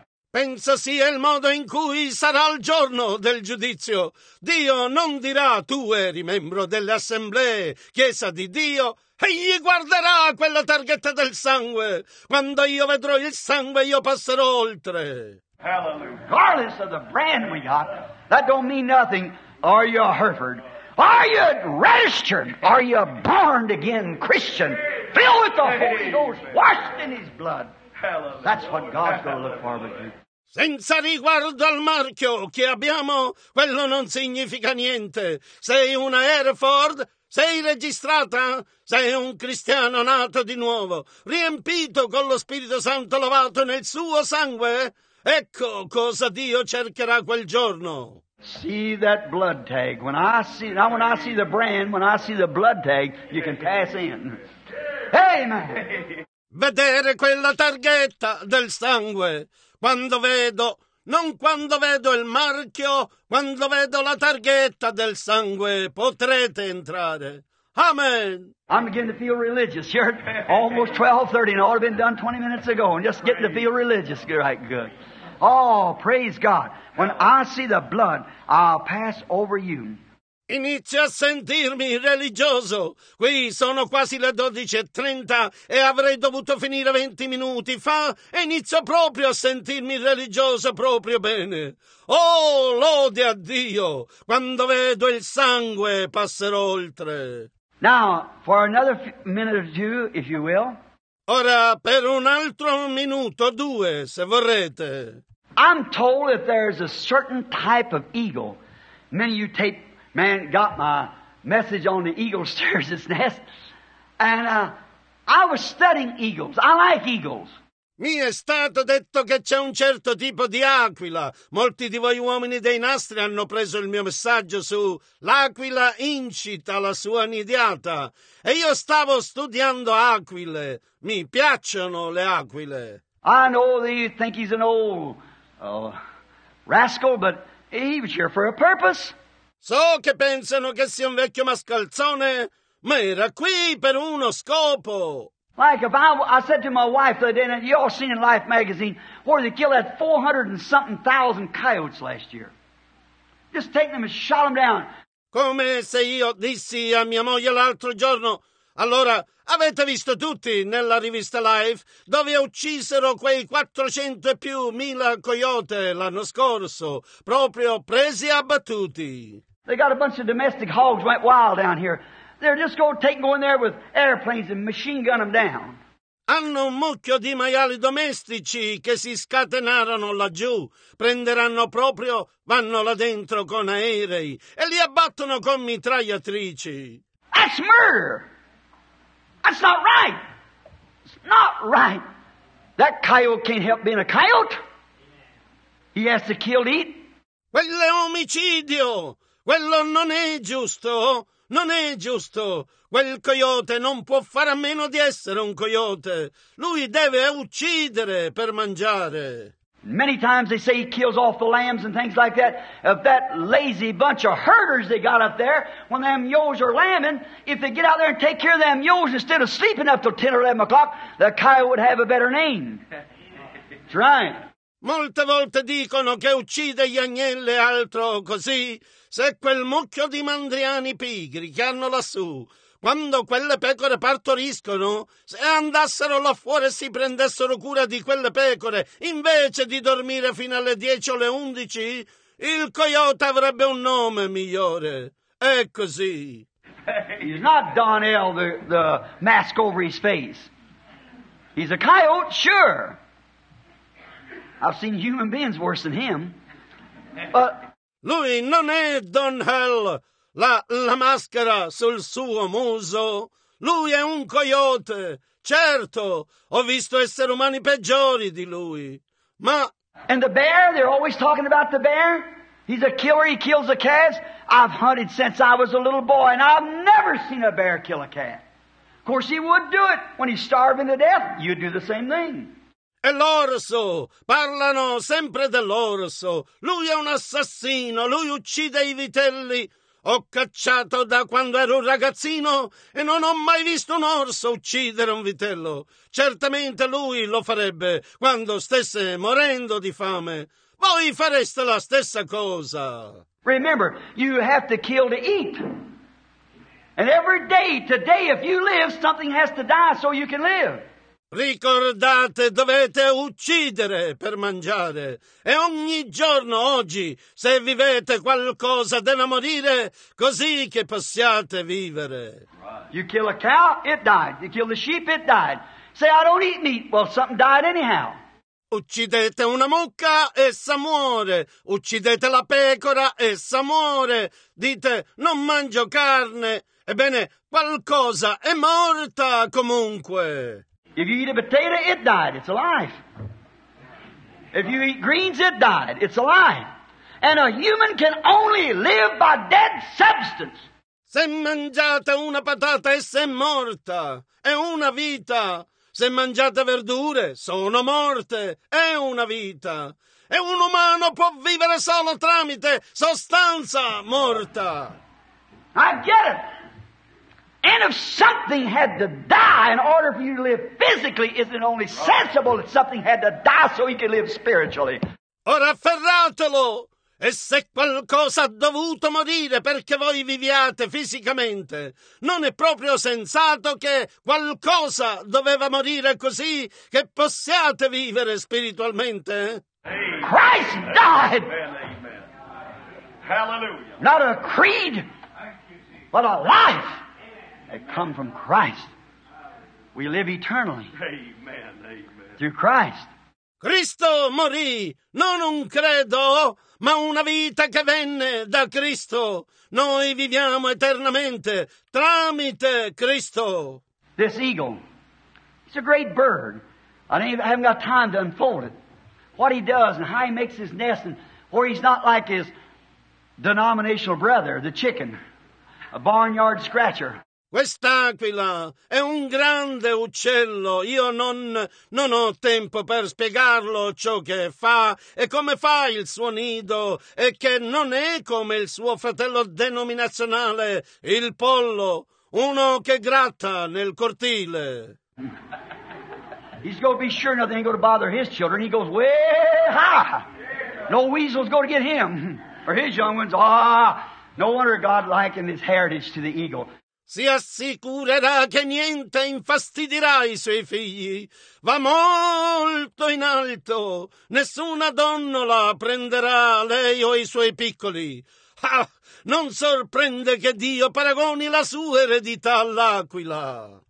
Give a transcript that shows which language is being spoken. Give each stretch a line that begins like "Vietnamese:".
Italian: Pensa sia il modo in cui sarà il giorno del giudizio. Dio non dirà, tu eri membro delle assemblee, chiesa di Dio, egli guarderà quella targhetta del sangue. Quando io vedrò il sangue, io passerò oltre.
English: Hallelujah. Regardless of the brand we got, that don't mean nothing. Are you a Hereford? Are you registered? Are you a born again Christian? Filled with the Holy Ghost, washed in his blood. That's what God's going to look for with you.
Italian: Senza riguardo al marchio che abbiamo, quello non significa niente. Sei una Hereford? Sei registrata? Sei un cristiano nato di nuovo, riempito con lo Spirito Santo, lavato nel suo sangue? Ecco cosa Dio cercherà quel giorno.
English: See that blood tag. When I see the brand, when I see the blood tag, you can pass in. Amen.
Italian: Vedere quella targhetta del sangue. Quando vedo, non quando vedo il marchio, quando vedo la targhetta del sangue, potrete entrare. Amen.
English: I'm beginning to feel religious here. Almost 12:30 and it ought to have been done 20 minutes ago. I'm just getting to feel religious. Right, good. Oh, praise God. When I see the blood, I'll pass over you.
Italian: Inizio a sentirmi religioso. Qui sono quasi le 12:30 e avrei dovuto finire 20 minuti fa e inizio proprio a sentirmi religioso proprio bene. Oh, lode a Dio! Quando vedo il sangue passerò oltre.
English: Now, for another minute or two, if you will.
Italian: Ora, per un altro minuto o due, se vorrete.
English: I'm told that there's a certain type of eagle. Many of you take, man, got my message on the eagle stirs its nest. And I was studying eagles. I like eagles.
Italian: Mi è stato detto che c'è un certo tipo di aquila. Molti di voi uomini dei nastri hanno preso il mio messaggio su l'aquila incita la sua nidiata. E io stavo studiando aquile. Mi piacciono le aquile.
English: I know that you think he's an old... Oh, rascal, but he was here for a purpose.
Italian: So che pensano che sia un vecchio mascalzone, ma era qui per uno scopo.
English: Like if I said to my wife the other day, you all seen in Life magazine, where they killed that 400,000+ coyotes last year. Just take them and shot them down.
Italian: Come se io dissi a mia moglie l'altro giorno, allora, avete visto tutti nella rivista Life dove uccisero quei 400,000+ coyote l'anno scorso, proprio presi e abbattuti.
English: They got a bunch of domestic hogs went wild down here. They're just going to take them in there with airplanes and machine gun them down.
Italian: Hanno un mucchio di maiali domestici che si scatenarono laggiù. Prenderanno proprio, vanno là dentro con aerei e li abbattono con mitragliatrici.
English: That's murder! That's not right. It's not right. That coyote can't help being a coyote. He has to kill to eat.
Italian: Quello è omicidio. Quello non è giusto. Non è giusto. Quel coyote non può fare a meno di essere un coyote. Lui deve uccidere per mangiare.
English: Many times they say he kills off the lambs and things like that. If that lazy bunch of herders they got up there, when them yos are lambing, if they get out there and take care of them yos instead of sleeping up till 10 or 11 o'clock, the coyote would have a better name. That's right.
Italian: Molte volte dicono che uccide gli agnelli e altro così. Se quel mucchio di mandriani pigri che hanno lassù, quando quelle pecore partoriscono, se andassero là fuori e si prendessero cura di quelle pecore, invece di dormire fino alle 10 o le 11, il coyote avrebbe un nome migliore. È così.
English: He's not Donnell, the mask over his face. He's a coyote, sure. I've seen human beings worse than him. But
Italian: lui non è Donnell, la maschera sul suo muso. Lui è un coyote. Certo, ho visto esseri umani peggiori di lui. Ma
English: and the bear, they're always talking about the bear. He's a killer, he kills the calves. I've hunted since I was a little boy, and I've never seen a bear kill a cat. Of course, he would do it when he's starving to death. You'd do the same thing.
Italian: E l'orso, parlano sempre dell'orso. Lui è un assassino, lui uccide i vitelli. Ho cacciato da quando ero un ragazzino e non ho mai visto un orso uccidere un vitello. Certamente lui lo farebbe quando stesse morendo di fame. Voi fareste la stessa cosa.
English: Remember, you have to kill to eat. And every day, today, if you live, something has to die so you can live.
Italian: Ricordate, dovete uccidere per mangiare. E ogni giorno, oggi, se vivete, qualcosa deve morire così che possiate vivere.
English: You kill a cow, it died. You kill the sheep, it died. Say, I don't eat meat. Well, something died anyhow.
Italian: Uccidete una mucca, essa muore. Uccidete la pecora, essa muore. Dite, non mangio carne. Ebbene, qualcosa è morta comunque.
English: If you eat a potato, it died. It's alive. If you eat greens, it died. It's alive. And a human can only live by dead substance.
Italian: Se mangiate una patata, essa è morta. È una vita. Se mangiate verdure, sono morte. È una vita. E un umano può vivere solo tramite sostanza morta.
English: I get it. And if something had to die in order for you to live physically, isn't it only sensible that something had to die so you could live spiritually?
Italian: Ora afferratelo! E se qualcosa ha dovuto morire perché voi viviate fisicamente, non è proprio sensato che qualcosa doveva morire così che possiate vivere spiritualmente?
English: Christ died! Hallelujah! Not a creed, but a life that come from Christ. We live eternally. Amen, amen. Through Christ.
Italian: Cristo morì, non un credo, ma una vita che venne da Cristo. Noi viviamo eternamente tramite Cristo.
English: This eagle, it's a great bird. I haven't got time to unfold it. What he does and how he makes his nest, and where he's not like his denominational brother, the chicken, a barnyard scratcher.
Italian: Quest'aquila è un grande uccello. Io non ho tempo per spiegarlo ciò che fa e come fa il suo nido e che non è come il suo fratello denominazionale, il pollo, uno che gratta nel cortile.
English: He's going to be sure nothing ain't going to bother his children. He goes, way-ha! No weasel's going to get him. Or his young ones, ah! No wonder God likened his heritage to the eagle.
Italian: Si assicurerà che niente infastidirà i suoi figli. Va molto in alto. Nessuna donnola prenderà lei o i suoi piccoli. Ah, non sorprende che Dio paragoni la sua eredità all'aquila.